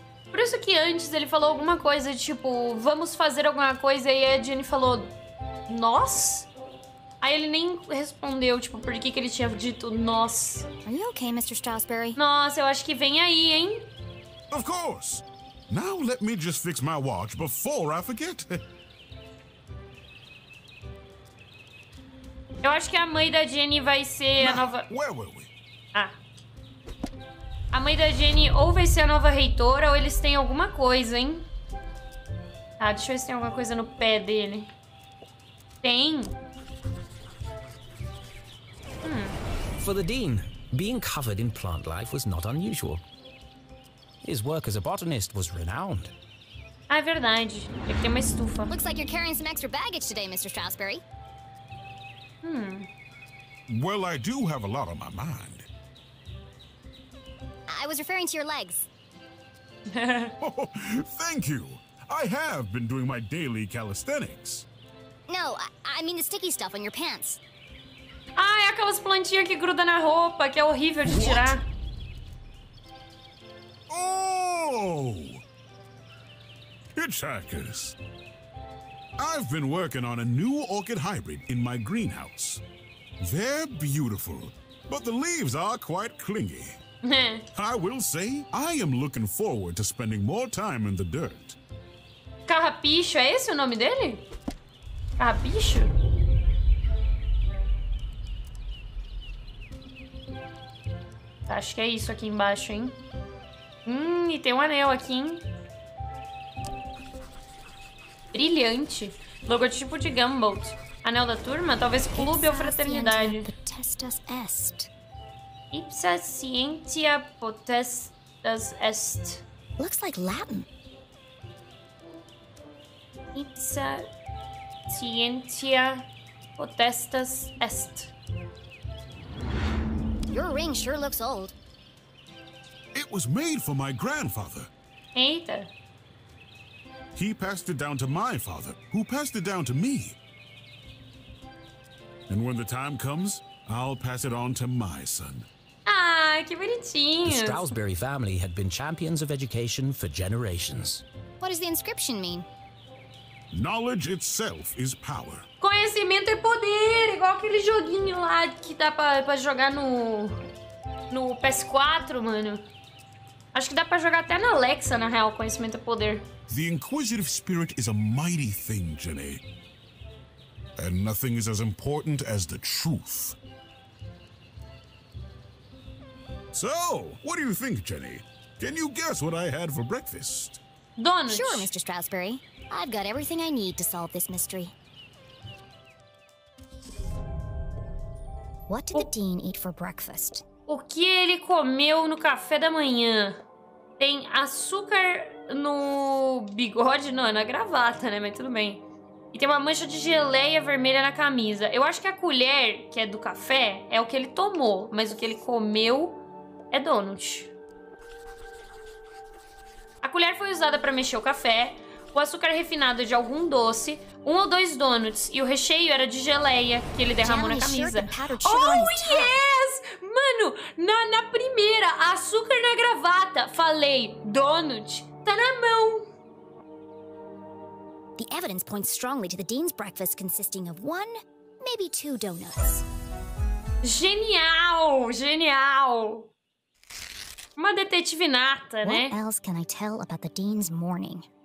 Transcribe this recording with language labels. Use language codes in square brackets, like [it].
[pt] Por isso que antes ele falou alguma coisa, tipo, vamos fazer alguma coisa, e a Jenny falou, nós? Aí ele nem respondeu, tipo, por que que ele tinha dito nós. [en] Are you okay, Mr. Strawsberry? [pt] Nossa, eu acho que vem aí, hein? [en] Of course. Now let me just fix my watch before I forget. [pt] Eu acho que a mãe da Jenny vai ser a nova... [en] Where were we? Ah. [pt] A mãe da Jenny ou vai ser a nova reitora ou eles têm alguma coisa, hein? Ah, deixa eu ver se tem alguma coisa no pé dele. Tem? [en] For the dean, being covered in plant life was not unusual. His work as a botanist was renowned. [pt] Ah, é verdade. Ele tem uma estufa. [en] Looks like you're carrying some extra baggage today, Mr. Strawsberry. Well, I do have a lot on my mind. I was referring to your legs. Oh, thank you. I have been doing my daily calisthenics. No, I mean the sticky stuff on your pants. [pt] Ah, é aquelas plantinhas que grudam na roupa, que é horrível de tirar. [en] Oh! Hitchhikers! I've been working on a new orchid hybrid in my greenhouse. They're beautiful, but the leaves are quite clingy. I will say, I am looking forward to spending more time in the dirt. [pt] Carrapicho, é esse o nome dele? Carrapicho? Acho que é isso aqui embaixo, hein? E tem um anel aqui, hein? Brilhante. Logotipo de Gumball. Anel da turma? Talvez clube ou fraternidade. [la] Ipsa scientia potestas est. [en] Looks like Latin. [la] Ipsa scientia potestas est. [en] Your ring sure looks old. It was made for my grandfather. [pt] Eita. [en] He passed it down to my father, who passed it down to me. And when the time comes, I'll pass it on to my son. [pt] Ah, que bonitinho. [en] The Strawsberry family had been champions of education for generations. What does the inscription mean? Knowledge itself is power. [pt] Conhecimento é poder, igual aquele joguinho lá que dá pra jogar no PS4, mano. Acho que dá pra jogar até na Alexa, na real, conhecimento é poder. [en] The inquisitive spirit is a mighty thing, Jenny. And nothing is as important as the truth. So, what do you think, Jenny? Can you guess what I had for breakfast? Donuts. Sure, Mr. Strawsberry. I've got everything I need to solve this mystery. What did the dean eat for breakfast? [pt] O que ele comeu no café da manhã? Tem açúcar no bigode? Não, é na gravata, né? Mas tudo bem. E tem uma mancha de geleia vermelha na camisa. Eu acho que a colher, que é do café, é o que ele tomou. Mas o que ele comeu é donut. A colher foi usada para mexer o café, o açúcar refinado de algum doce, um ou dois donuts, e o recheio era de geleia que ele derramou na camisa. [en] Oh, yes! [pt] Mano, na primeira, açúcar na gravata, falei, donut, tá na mão. [en] The evidence points strongly to the dean's breakfast consisting of one, maybe two donuts. [pt] Genial, genial. Uma detetive nata, né? [en] What else can I tell about the dean's morning?